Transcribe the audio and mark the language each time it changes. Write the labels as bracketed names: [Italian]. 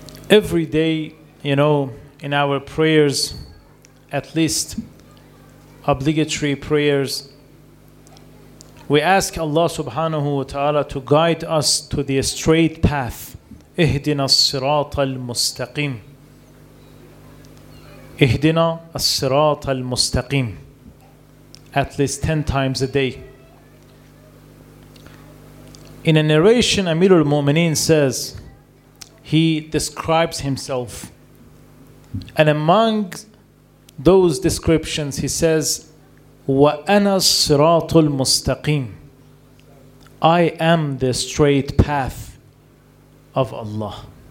[English] Every day, you know, in our prayers, at least obligatory prayers, we ask Allah subhanahu wa ta'ala to guide us to the straight path. [Arabic] اِهْدِنَا الصِّرَاطَ الْمُسْتَقِيمِ اِهْدِنَا الصِّرَاطَ الْمُسْتَقِيمِ [English] at least 10 times a day. In a narration, Amir al-Mu'mineen says, he describes himself. And among those descriptions, he says, [Arabic] وَأَنَا الصِّرَاطُ الْمُسْتَقِيمِ [English] I am the straight path of Allah.